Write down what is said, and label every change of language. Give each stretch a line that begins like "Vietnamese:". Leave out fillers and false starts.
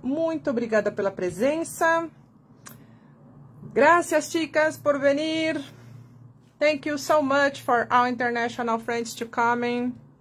Portuguese: Muito obrigada pela presença.
Spanish: Gracias, chicas, por venir.
English: Thank you so much for our international friends to coming.